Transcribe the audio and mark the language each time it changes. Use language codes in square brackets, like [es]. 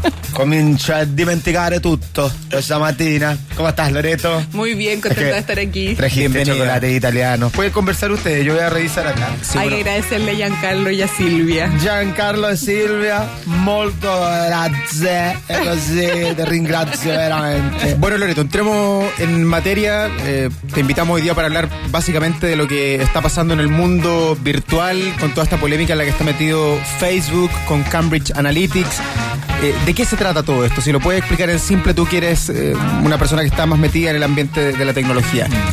[it] Comincio a dimenticare tutto questa mattina. Come stai, Loreto? [es] Muy bien, contento de estar aquí. Trajiste chocolate italiano. Puede conversar usted, yo voy a revisar acá. Hay que agradecerle a Giancarlo y a Silvia. [it] Giancarlo e Silvia, molto grazie. E così, te ringrazio veramente. [es] Bueno, Loreto, entremos en materia. Te invitamos hoy día para hablar básicamente de lo que está pasando en el mundo virtual con toda esta polémica en la que está metido Facebook con Cambridge Analytics. ¿De qué se trata todo esto? Si lo puedes explicar en simple, tú que eres una persona que está más metida en el ambiente de la tecnología.